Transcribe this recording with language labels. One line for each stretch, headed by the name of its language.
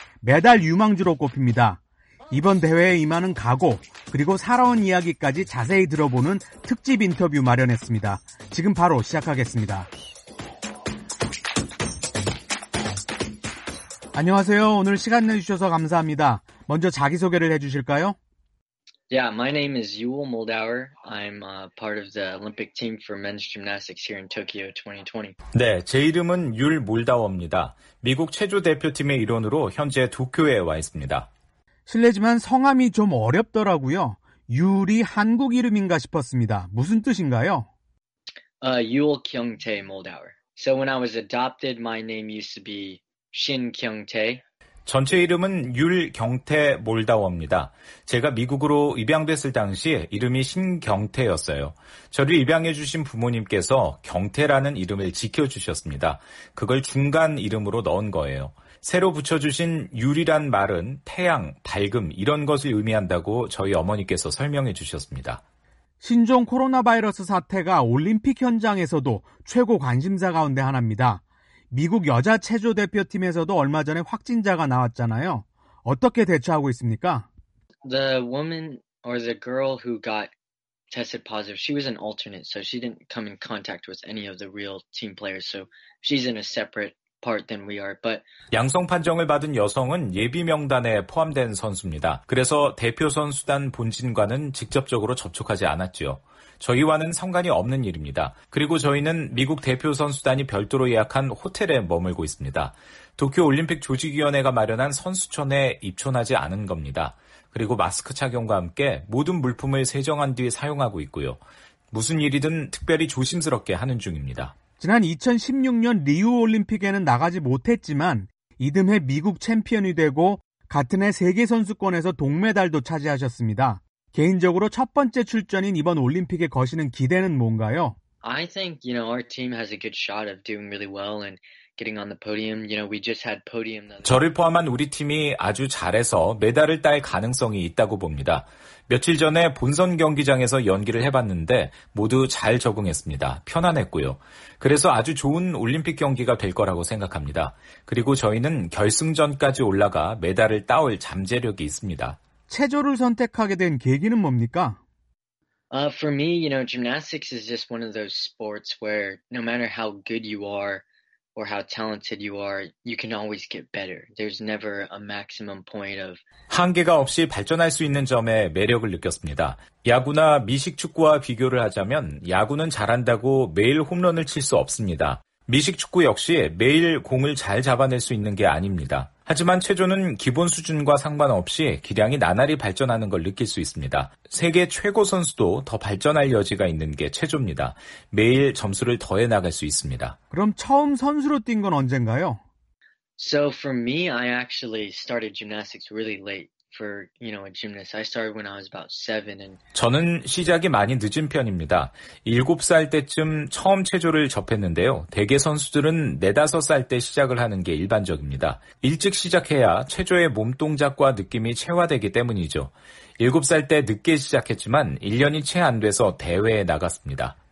Korean: 메달 유망주로 꼽힙니다. 이번 대회에 임하는 각오 그리고 살아온 이야기까지 자세히 들어보는 특집 인터뷰 마련했습니다. 지금 바로 시작하겠습니다. 안녕하세요. 오늘 시간 내주셔서 감사합니다. 먼저 자기소개를 해주실까요?
English: Yeah, my name is Yul Moldauer. I'm a part of the Olympic team for men's gymnastics here in Tokyo 2020.
Korean: 네, 제 이름은 율 몰다워입니다. 미국 체조 대표팀의 일원으로 현재 도쿄에 와 있습니다. 실례지만 성함이 좀 어렵더라고요. 율이 한국 이름인가 싶었습니다. 무슨 뜻인가요?
English: Yul Kyung-tae Moldauer. So when I was adopted, my name used to be Shin Kyung-tae.
Korean: 전체 이름은 율경태 몰다워입니다. 제가 미국으로 입양됐을 당시 이름이 신경태였어요. 저를 입양해주신 부모님께서 경태라는 이름을 지켜주셨습니다. 그걸 중간 이름으로 넣은 거예요. 새로 붙여주신 율이란 말은 태양, 밝음 이런 것을 의미한다고 저희 어머니께서 설명해 주셨습니다. 신종 코로나 바이러스 사태가 올림픽 현장에서도 최고 관심사 가운데 하나입니다. 미국 여자 체조 대표팀에서도 얼마 전에 확진자가 나왔잖아요. 어떻게 대처하고 있습니까?
English: The woman or the girl who got tested positive, she was an alternate, so she didn't come in contact with any of the real team players. So she's in a separate part than we are. But
Korean: 양성 판정을 받은 여성은 예비 명단에 포함된 선수입니다. 그래서 대표 선수단 본진과는 직접적으로 접촉하지 않았지요. 저희와는 상관이 없는 일입니다. 그리고 저희는 미국 대표 선수단이 별도로 예약한 호텔에 머물고 있습니다. 도쿄 올림픽 조직위원회가 마련한 선수촌에 입촌하지 않은 겁니다. 그리고 마스크 착용과 함께 모든 물품을 세정한 뒤 사용하고 있고요. 무슨 일이든 특별히 조심스럽게 하는 중입니다. 지난 2016년 리우 올림픽에는 나가지 못했지만 이듬해 미국 챔피언이 되고 같은 해 세계 선수권에서 동메달도 차지하셨습니다. 개인적으로 첫 번째 출전인 이번 올림픽에 거시는 기대는 뭔가요?
English: I think, you know, our team has a good shot of doing really well and getting on the podium. You know, we just had podium.
Korean: 저를 포함한 우리 팀이 아주 잘해서 메달을 딸 가능성이 있다고 봅니다. 며칠 전에 본선 경기장에서 연기를 해봤는데 모두 잘 적응했습니다. 편안했고요. 그래서 아주 좋은 올림픽 경기가 될 거라고 생각합니다. 그리고 저희는 결승전까지 올라가 메달을 따올 잠재력이 있습니다. 체조를 선택하게 된 계기는 뭡니까?
English: For me, you know, gymnastics is just one of those sports where no matter how good you are or how talented you are, you can always get better. There's never a maximum point of
Korean: 한계가 없이 발전할 수 있는 점에 매력을 느꼈습니다. 야구나 미식축구와 비교를 하자면 야구는 잘한다고 매일 홈런을 칠 수 없습니다. 미식축구 역시 매일 공을 잘 잡아낼 수 있는 게 아닙니다. 하지만 체조는 기본 수준과 상관없이 기량이 나날이 발전하는 걸 느낄 수 있습니다. 세계 최고 선수도 더 발전할 여지가 있는 게 체조입니다. 매일 점수를 더해 나갈 수 있습니다. 그럼 처음 선수로 뛴 건 언젠가요?
English: So for me, I actually started gymnastics really late. For, you know, a gymnast. I started when I was about seven and
Korean: 저는 시작이 많이 늦은 편입니다. 7살 때쯤 처음 체조를 접했는데요. 대개 선수들은 4-5살 때 시작을 하는 게 일반적입니다. 일찍 시작해야 체조의 몸 동작과 느낌이 체화되기 때문이죠. 7살 때 늦게 시작했지만 1년이 채 안 돼서 대회에 나갔습니다.